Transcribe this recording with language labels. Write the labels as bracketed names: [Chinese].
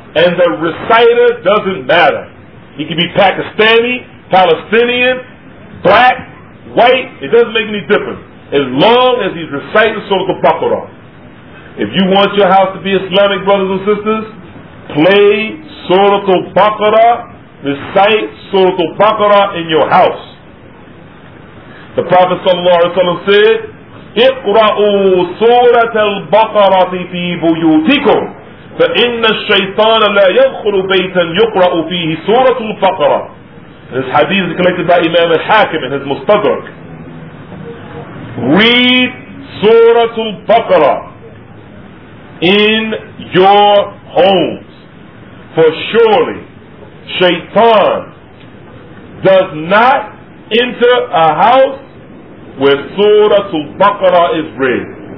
[English] And the reciter doesn't matter. He can be Pakistani, Palestinian, black, white. It doesn't make any difference. As long as he's reciting Surah Al-Baqarah. If you want your house to be Islamic, brothers and sisters, play Surah Al-Baqarah, recite Surah Al-Baqarah in your house. The Prophet sallallahu alaihi wasallam said, [Arabic] اقرأوا سورة البقرة في بيوتكم فإن الشيطان لا يدخل بيتا يقرأ فيه سورة البقرة. [English] This hadith is collected by Imam al-Hakim in his Mustadrak. Read Surah al-Baqarah in your homes, for surely shaitan does not enter a house where Surah al-Baqarah is read.